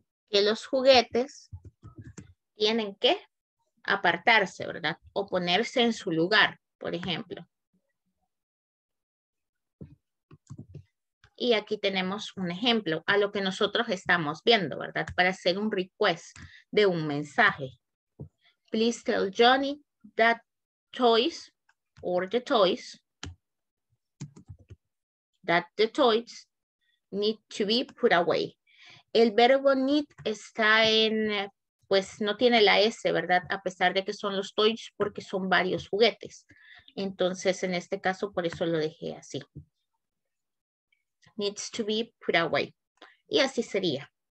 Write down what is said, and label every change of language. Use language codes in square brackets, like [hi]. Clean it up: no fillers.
[es] Que los juguetes tienen que apartarse, ¿verdad? O ponerse en su lugar, por ejemplo. Y aquí tenemos un ejemplo a lo que nosotros estamos viendo, ¿verdad? Para hacer un request de un mensaje. [en] Please tell Johnny that toys or the toys. That the toys need to be put away. [es] El verbo need está en, pues no tiene la S, ¿verdad? A pesar de que son los toys, porque son varios juguetes. Entonces, en este caso, por eso lo dejé así. [en] Needs to be put away. [es] Y así sería.